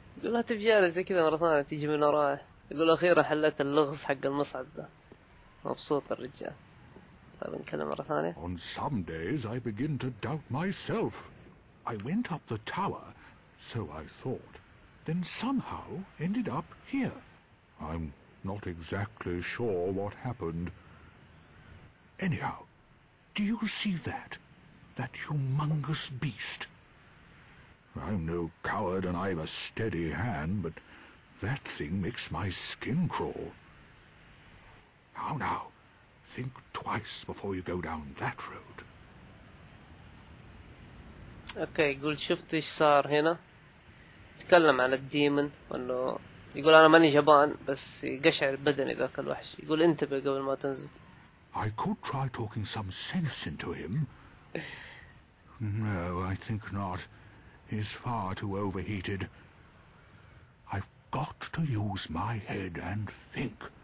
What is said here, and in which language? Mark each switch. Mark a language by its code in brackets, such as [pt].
[ar] يقول لا تبجاني زي كذا مرة ثانية تيجي من ورائه. يقول أخيرا حلت اللغز حق المصعد ده. مبسوط الرجال. طيب نكلم مرة ثانية. [en] On some days I begin to doubt myself. I went up the tower, so I thought. Then somehow ended up here. I'm not exactly sure what happened. Anyhow, do you see that? That humongous beast. I'm no coward and I've a steady hand, but that thing makes my skin crawl. How now? Think twice before you go down that road. [ar] Okay, يقول شفت ايش صار هنا؟ تكلم عن الديمن وانه يقول انا ماني جبان بس قشعر بدني ذاك الوحش. يقول انتبه قبل ما تنزل. [en] I could try talking some sense into him. No, I think not. He's far too overheated. I've got to use my head and think.